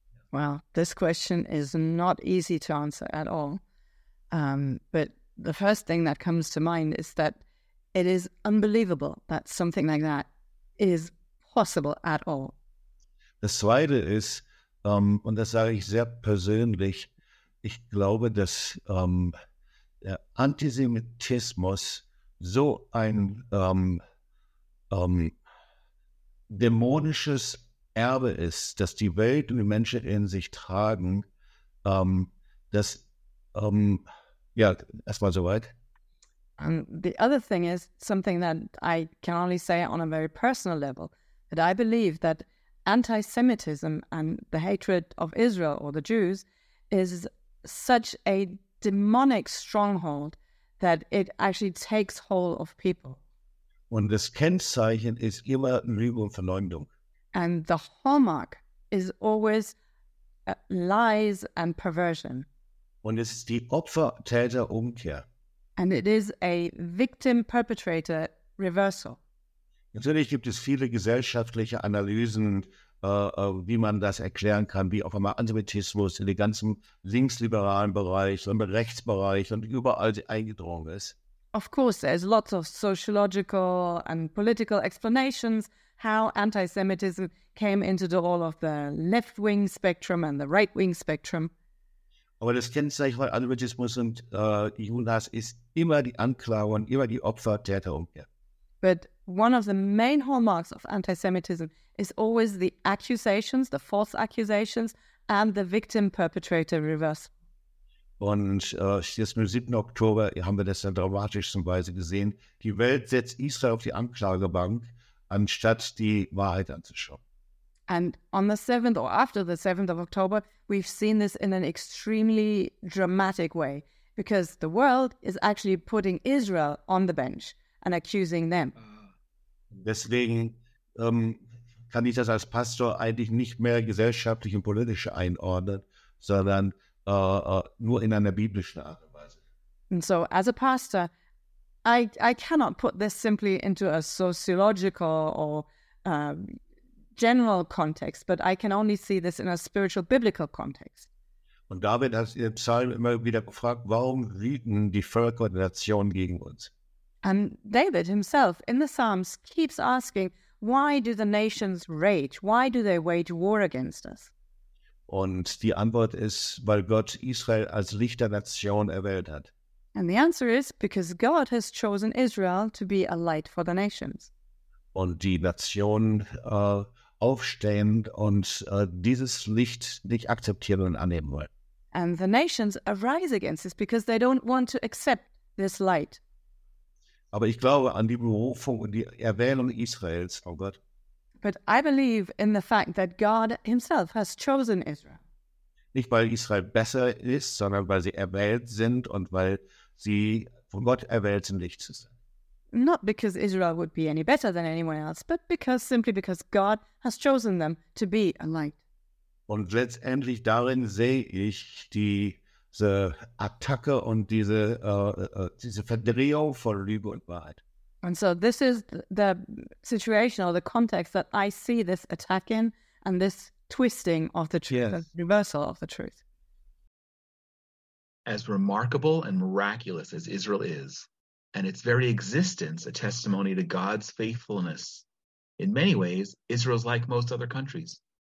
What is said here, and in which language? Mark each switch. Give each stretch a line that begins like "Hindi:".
English: Well, this question is not easy to answer at all. But the first thing that comes to mind is that It is unbelievable that something like that is possible at all.
German: Das Zweite ist, und das sage ich sehr persönlich, ich glaube, dass der Antisemitismus so ein dämonisches Erbe ist, das die Welt und die Menschen in sich tragen, dass, ja, erstmal soweit.
English: And the other thing is something that I can only say on a very personal level, that I believe that anti-Semitism and the hatred of Israel or the Jews is such a demonic stronghold that it actually takes hold of people.
German: Und das Kennzeichen ist immer Lüge und Verleumdung.
English: And the hallmark is always lies and perversion.
German: Und es ist die Opfer-Täter-Umkehr.
English: And it is a victim-perpetrator reversal.
German: Natürlich gibt es viele gesellschaftliche Analysen, wie man das erklären kann, wie auf einmal Antisemitismus in den ganzen linksliberalen Bereich und Rechtsbereich und überall eingedrungen ist.
English: Of course, there's lots of sociological and political explanations how anti-Semitism came into the all of the left-wing spectrum and the right-wing spectrum.
German: Aber das Kennzeichen von Antisemitismus und Judenhass ist immer die Anklage und immer die Opfer-Täter-Umkehr.
English: But one of the main hallmarks of anti-Semitism is always the accusations, the false accusations, and the victim-perpetrator reversal.
German: Und jetzt am 7. Oktober haben wir das dann dramatischerweise gesehen. Die Welt setzt Israel auf die Anklagebank, anstatt die Wahrheit anzuschauen.
English: And on the 7th or after the 7th of October, we've seen this in an extremely dramatic way, because the world is actually putting Israel on the bench and accusing them.
German: Deswegen kann ich das als Pastor eigentlich nicht mehr gesellschaftlich und politisch einordnen, sondern nur in einer biblischen Art und Weise.
English: And so as a pastor, I cannot put this simply into a sociological or general context, but I can only see this in a spiritual biblical context.
German: Und David hat in Psalm immer wieder gefragt, warum wüten die Völker der Nationen gegen uns?
English: And David himself in the Psalms keeps asking, why do the nations rage? Why do they wage war against us?
German: Und die Antwort ist, weil Gott Israel als Licht der Nation erwählt hat.
English: And the answer is because God has chosen Israel to be a light for the nations.
German: Und die Nation aufstehen und dieses Licht nicht akzeptieren und annehmen wollen.
English: And the nations arise against this because they don't want to accept this light.
German: Aber ich glaube an die Berufung und die Erwählung Israels von Gott.
English: But I believe in the fact that God himself has chosen Israel.
German: Nicht weil Israel besser ist, sondern weil sie erwählt sind und weil sie von Gott erwählt sind, Licht zu sein.
English: Not because Israel would be any better than anyone else, but because simply because God has chosen them to be a light.
German: Und letztendlich darin sehe ich diese Attacke und diese Verdrehung von Lüge und Wahrheit.
English: And so this is the situation or the context that I see this attack in and this twisting of the truth, yes. The reversal of the truth. As remarkable and miraculous as Israel is, and its very existence a testimony to God's faithfulness, in many ways, Israel's like most other countries.